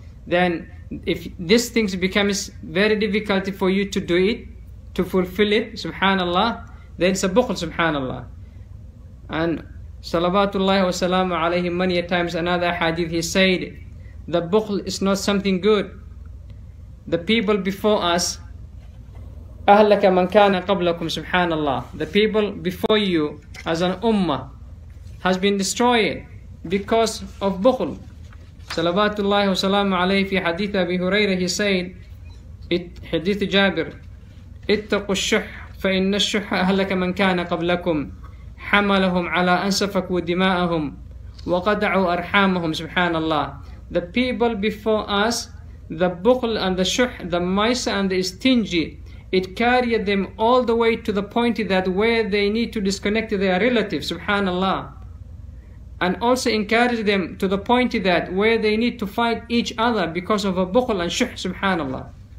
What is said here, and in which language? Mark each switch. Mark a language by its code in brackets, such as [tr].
[en] Then if these things becomes very difficult for you to do it, to fulfill it, subhanallah, then it's a bukhl, subhanallah. And [ar] salawatullahi wa salamu alayhi [en] many a times, another hadith, he said, the bukhl is not something good. The people before us, [ar] أهلك من كان قبلكم سبحان الله. [en] The people before you as an ummah has been destroyed because of bukhl. [ar] صلوات الله وسلامه عليه في حديث أبي هريرة [en] he said, [ar] حديث جابر, اتقوا الشح فإن الشح أهلك من كان قبلكم حملهم على أن سفكوا دماءهم وقدعوا أرحامهم سبحان الله. [en] The people before us, the bukhl and the shuh, the miser and the stingy, it carried them all the way to the point that where they need to disconnect their relatives, subhanallah. And also encouraged them to the point that where they need to fight each other because of a bukhl and shuh, subhanallah.